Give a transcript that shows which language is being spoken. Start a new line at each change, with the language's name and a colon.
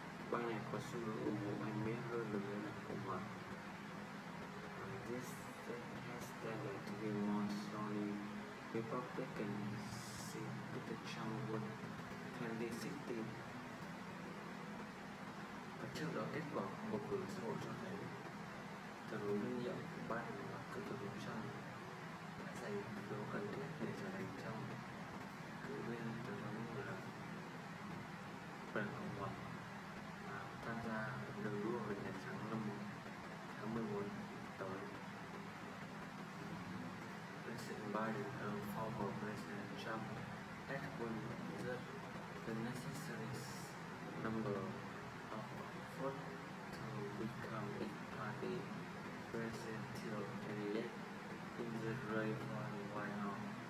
Vietnamese: Bang này có xu hướng ủng hộ mạnh mẽ hơn lực lượng đảng Cộng hòa.
English: This has led to be more strongly Republican seat with the Trump win 2016.
Vietnamese: Và trước đó kết quả bầu cử sơ bộ cho thấy tổng thống đương nhiệm Biden và cựu tổng thống Trump đã giành số cần thiết để trở thành Trump cử viên tổng thống của đảng Cộng hòa và tham gia đường đua về Nhà Trắng năm 2021 tới.
English: President Biden and former President Trump had won the necessary number of votes to become a party presidential candidate in the race for the White House.